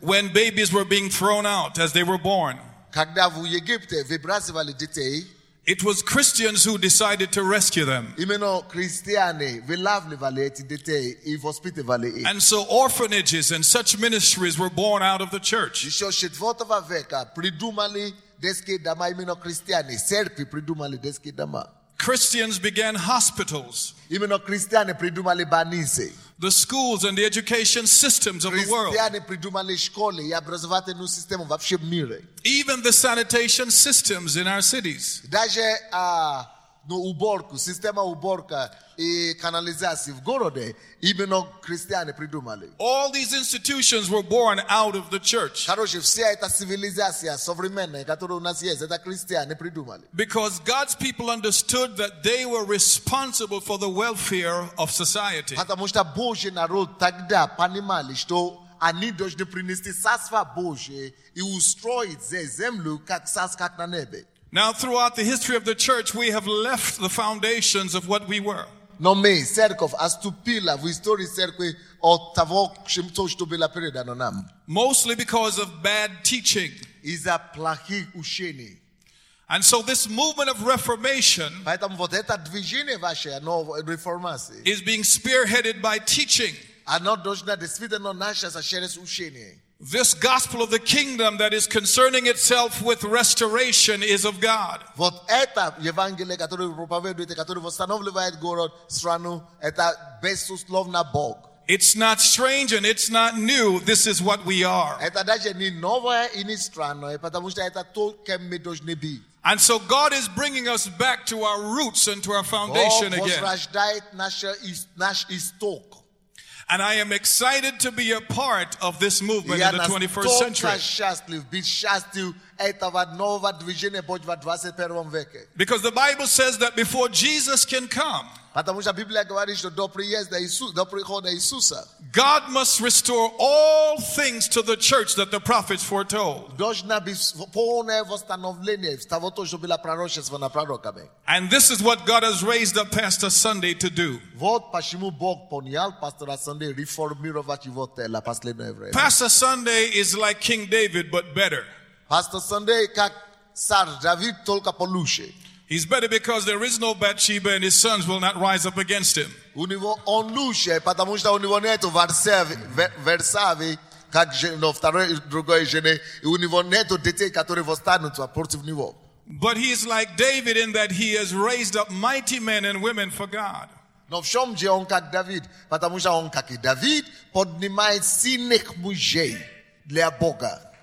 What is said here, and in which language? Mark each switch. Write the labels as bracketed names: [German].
[English] when babies were being thrown out as they were born, [Russian] когда в Египте выбрасывали детей, [English] it was Christians who decided to rescue them. [Russian] Именно христиане вылавливали эти детей и воспитывали их. [English] And so orphanages and such ministries were born out of the church. [Russian] Еще 4 века придумали детские дома, именно христиане, церкви придумали детские дома. [English] Christians began hospitals. [Russian] Именно христиане придумали больницы. [English] The schools and the education systems of the world. [Russian] Христиане придумали школы и образовательную систему вообще в мире. [English] Even the sanitation systems in our cities. [Russian] Даже уборку, система уборка и канализации в городе, именно христиане придумали. [English] All these institutions were born out of the church. [Russian] Короче, вся эта цивилизация современная, которая у нас есть, это христиане придумали. [English] Because God's people understood that they were responsible for the welfare of society. [Russian] Потому что Божий народ тогда понимали, что они должны принести царство Божие и устроить здесь землю, как на небе. [English] Now, throughout the history of the church, we have left the foundations of what we were. [Russian] Но мы, церковь, оступила в истории церкви от того, чем то, что было передано нам. [English] Mostly because of bad teaching. [Russian] из-за плохих учений. [English] And so this movement of reformation [Russian] Поэтому вот это движение ваше, новой реформации, [English] is being spearheaded by teaching. [Russian] Оно должно действительно начаться через учение. [English] This gospel of the kingdom that is concerning itself with restoration is of God. [Russian] Вот это Евангелие, которое вы проповедуете, которое восстанавливает город, страну, это безусловно Бог. [English] It's not strange and it's not new. This is what we are. [Russian] Это даже не новое и не странное, потому что это то, кем мы должны быть. [English] And so God is bringing us back to our roots and to our foundation again. [Russian] Бог возрождает наш исток. [English] And I am excited to be a part of this movement in the 21st century. [Russian] Я настолько счастлив быть частью этого нового движения Божьего в 21 веке. [English] Because the Bible says that before Jesus can come, [Russian] потому что Библия говорит, что до приезда Иисуса, до прихода Иисуса, [English] God must restore all things to the church that the prophets foretold. [Russian] Должна быть полное восстановление того, что было пророчество на пророками. [English] And this is what God has raised up Pastor Sunday to do. [Russian] Вот почему Бог понял пастора Сандея реформировать его тело последнее время. [English] Pastor Sunday is like King David, but better. [Russian] Пастор Сандея как царь Давид, только получше. [English] He's better because there is no Bathsheba and his sons will not rise up against him. [Russian] У него он лучше, потому что у него нету Варсави, как жена второй другой жены, и у него нету детей, которые восстанут против него. [English] But he is like David in that he has raised up mighty men and women for God. [Russian] Но в чем же он как Давид? Потому что он как и Давид поднимает сильных мужей для Бога.